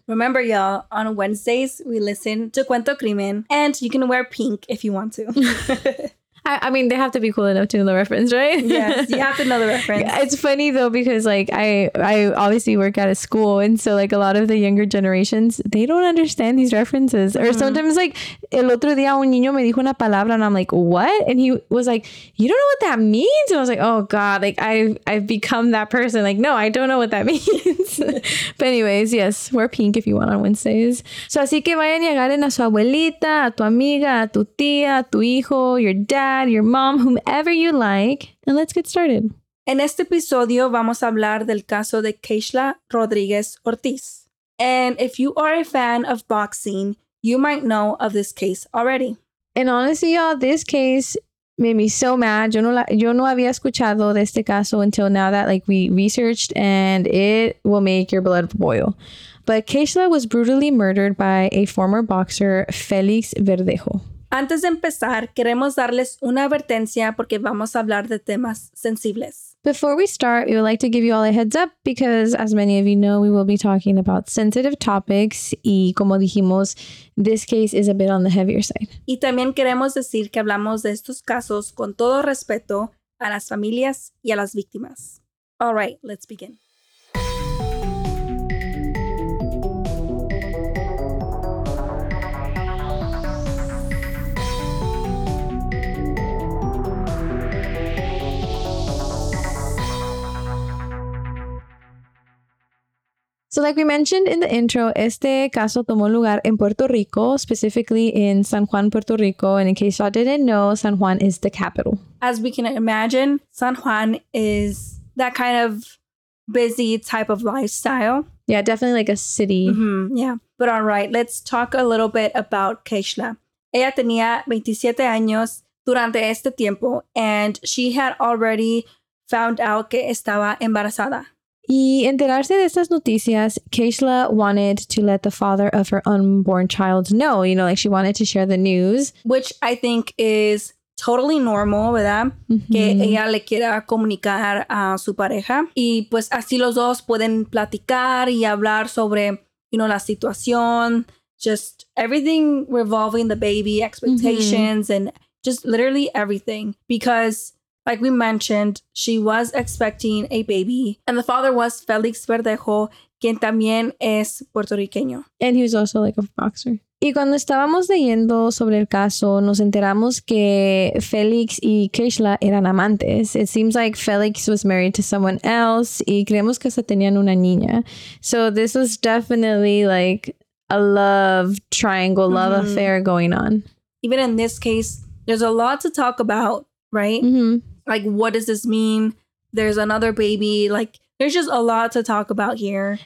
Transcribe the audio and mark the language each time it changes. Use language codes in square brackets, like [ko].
[en] Remember, y'all, on Wednesdays, we listen to Cuento Crimen. And you can wear pink if you want to. I mean, they have to be cool enough to know the reference, right? Yes, you have to know the reference. It's funny, though, because, like, I obviously work at a school. And so, like, a lot of the younger generations, they don't understand these references. Mm-hmm. Or sometimes, like, [es] el otro día un niño me dijo una palabra [en] and I'm like, what? And he was like, you don't know what that means? And I was like, oh, God, like, I've become that person. Like, no, I don't know what that means. But anyways, yes, wear pink if you want on Wednesdays. [es] So, así que vayan y agarren a su abuelita, a tu amiga, a tu tía, a tu hijo, [en] your dad, your mom, whomever you like, and let's get started. [es] En este episodio vamos a hablar del caso de Keishla Rodriguez Ortiz. [en] And if you are a fan of boxing, you might know of this case already. And honestly, y'all, this case made me so mad. [es] Yo no había escuchado de este caso [en] until now that, like, we researched, and it will make your blood boil. But Keishla was brutally murdered by a former boxer, Félix Verdejo. [es] Antes de empezar, queremos darles una advertencia porque vamos a hablar de temas sensibles. [en] Before we start, we would like to give you all a heads up because, as many of you know, we will be talking about sensitive topics [es] y, como dijimos, [en] this case is a bit on the heavier side. [es] Y también queremos decir que hablamos de estos casos con todo respeto a las familias y a las víctimas. [en] All right, let's begin. So like we mentioned in the intro, [es] este caso tomó lugar en Puerto Rico, [en] specifically in San Juan, Puerto Rico. And in case y'all didn't know, San Juan is the capital. As we can imagine, San Juan is that kind of busy type of lifestyle. Yeah, definitely like a city. Mm-hmm, yeah. But all right, let's talk a little bit about Keishla. [es] Ella tenía 27 años durante este tiempo [en] and she had already found out [es] que estaba embarazada. Y enterarse de estas noticias, [en] Keishla wanted to let the father of her unborn child know, you know, like she wanted to share the news. Which I think is totally normal, ¿verdad? Mm-hmm. [es] Que ella le quiera comunicar a su pareja. Y pues así los dos pueden platicar y hablar sobre, you know, la situación, [en] just everything revolving the baby, expectations, [es] mm-hmm. [en] and just literally everything. Because, like we mentioned, she was expecting a baby. And the father was Félix Verdejo, [es] quien también es puertorriqueño. [en] And he was also like a boxer. [es] Y cuando estábamos leyendo sobre el caso, nos enteramos que Félix y Keishla eran amantes. [en] It seems like Félix was married to someone else [es] y creemos que se tenían una niña. [en] So this was definitely like a love triangle, love mm-hmm. affair going on. Even in this case, there's a lot to talk about. Right? Mm-hmm. Like, what does this mean? There's another baby. Like, there's just a lot to talk about here.